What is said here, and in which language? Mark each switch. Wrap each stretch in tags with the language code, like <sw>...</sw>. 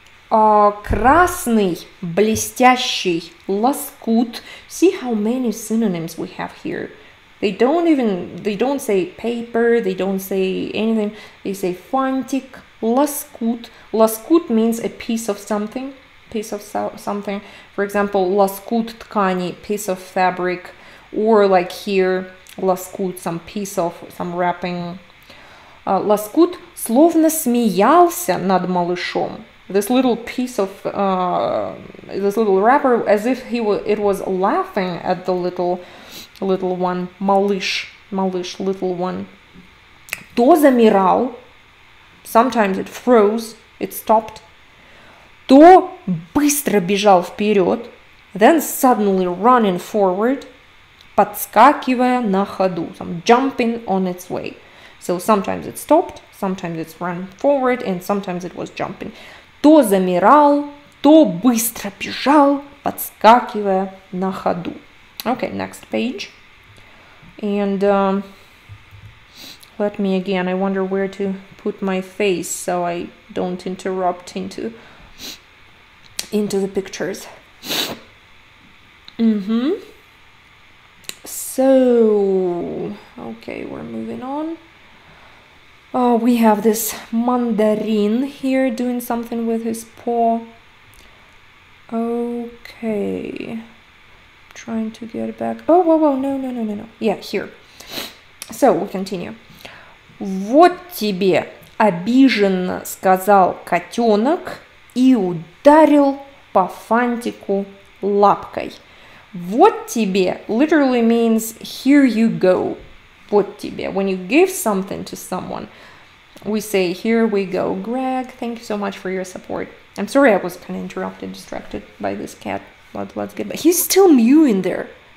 <ru>Красный, блестящий, лоскут.</ru> <en>See how many synonyms we have here. They don't say paper, they don't say anything. They say фантик, лоскут. Лоскут means a piece of something. Piece of something. For example,</en> <ru>лоскут ткани,</ru> <en>piece of fabric. Or like here, лоскут, some piece of, some wrapping.</en> <ru>Лоскут словно смеялся над малышом.</ru> <en>This little piece of, this little wrapper, as if it was laughing at the little one.</en> <ru>Малыш,</ru> <en>little one.</en> <ru>То замирал.</ru> <en>Sometimes it froze, it stopped.</en> <ru>То быстро бежал вперед.</ru> <en>Then suddenly running forward.</en> <ru>Подскакивая на ходу.</ru> <en>So jumping on its way. So sometimes it stopped, sometimes it's run forward, and sometimes it was jumping.</en> <ru>То замирал, то быстро бежал, подскакивая на ходу.</ru> <en>Okay, next page. And let me again, I wonder where to put my face so I don't interrupt into into the pictures. Mm-hmm. So, okay, we're moving on. Oh, we have this mandarin here doing something with his paw. Okay. Trying to get it back. Oh, whoa, whoa, no, no, no, no, no. Yeah, here. So, we continue.</en> <ru>Вот тебе обиженно сказал котенок и ударил по фантику лапкой. Вот тебе</ru> <en>literally means here you go. Вот тебе. When you give something to someone, we say here we go. Greg, thank you so much for your support. I'm sorry I was kind of interrupted, distracted by this cat. Let's get back. He's still mewing there.</en>